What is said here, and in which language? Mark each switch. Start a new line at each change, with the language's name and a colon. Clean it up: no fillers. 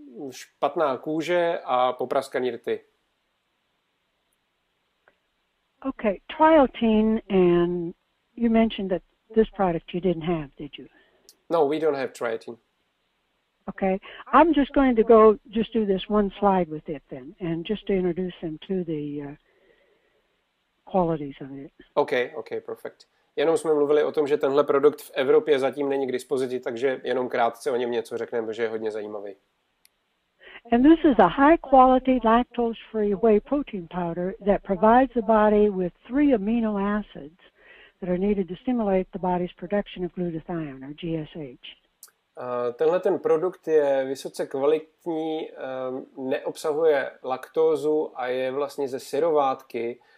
Czech: špatná kůže a popraskaný rty.
English: Okay, trialtine, and you mentioned that this product you didn't have, did you? No, we don't have trialtine. Okay, I'm just going to go just do this one slide with it then, and just to introduce them to the qualities of it. Okay, perfect.
Czech: Jenom jsme mluvili o tom, že tenhle produkt v Evropě zatím není k dispozici, takže jenom krátce o něm něco řekneme, protože je hodně zajímavý.
English: And this is a high-quality lactose-free whey protein powder that provides the body with three amino acids that are needed to stimulate the body's production of glutathione, or GSH.
Czech: Tenhle ten produkt je vysoce kvalitní, neobsahuje laktózu a je vlastně ze syrovátky.